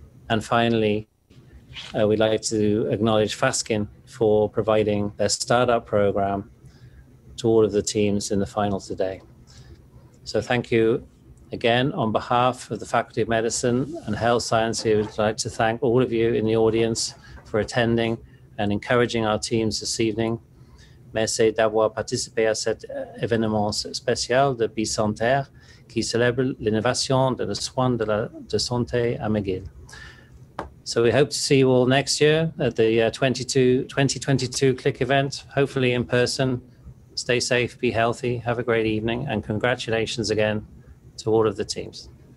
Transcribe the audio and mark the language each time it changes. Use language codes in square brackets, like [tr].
[en] And finally, we'd like to acknowledge Faskin for providing their startup program to all of the teams in the final today. So thank you again. On behalf of the Faculty of Medicine and Health Science, I would like to thank all of you in the audience for attending and encouraging our teams this evening. [fr] Merci d'avoir participé à cet événement spécial de Bicentenaire qui célèbre l'innovation de le soin de la de santé à McGill. [en] So we hope to see you all next year at the 2022 CLIC event, hopefully in person. Stay safe, be healthy, have a great evening, and congratulations again to all of the teams.